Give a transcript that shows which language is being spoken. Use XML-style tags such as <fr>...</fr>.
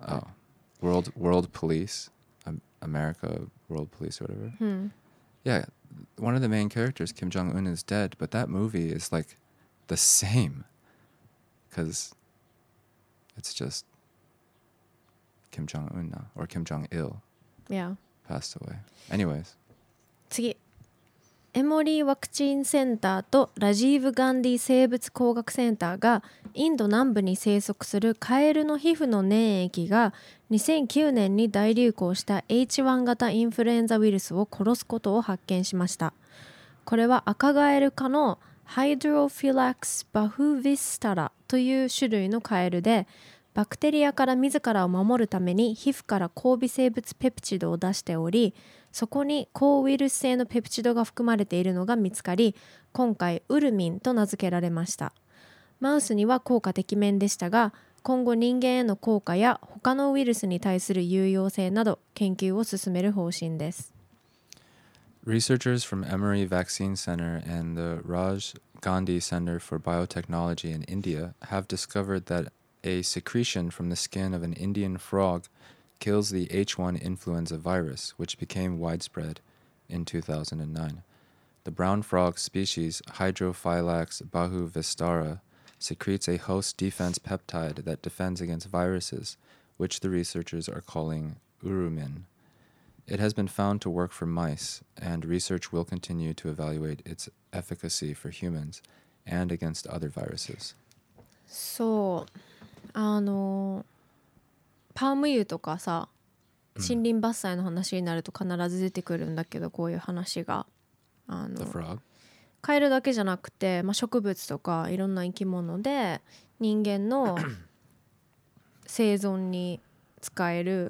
<en>Oh. World Police. America World Police or whatever. Hmm. Yeah, one of the main characters, Kim Jong-un, is dead, but that movie is like the same because it's just Kim Jong-un now, or Kim Jong-il. Yeah. Passed away. Anyways.</en> <ja>次。エモリーワクチンセンターとラジーブ・ガンディ生物工学センターがインド南部に生息するカエルの皮膚の粘液が2009年に大流行した H1 型インフルエンザウイルスを殺すことを発見しました。これは赤ガエル科のハイドロフィラックス・バフヴィスタラという種類のカエルで、バクテリアから自らを守るために皮膚から交尾生物ペプチドを出しており、そこに抗ウイルス性のペプチドが含まれているのが見つかり、今回ウルミンと名付けられました。マウスには効果的面でしたが、今後人間への効果や他のウイルスに対する有用性など研究を進める方針です。</ja> <en>Researchers from Emory Vaccine Center and the Raj Gandhi Center for Biotechnology in India have discovered that a secretion from the skin of an Indian frog kills the H1 influenza virus, which became widespread in 2009. The brown frog species Hydrophyllax bahuvistara secretes a host defense peptide that defends against viruses, which the researchers are calling urumin. It has been found to work for mice, and research will continue to evaluate its efficacy for humans and against other viruses.</en> <ja>そう、あの、パーム油とかさ、森林伐採の話になると必ず出てくるんだけど、こういう話が。あの、</ja> <en>The frog?</en> <ja>カエルだけじゃなくて、まあ、植物とかいろんな生き物で人間の生存に使える、</ja>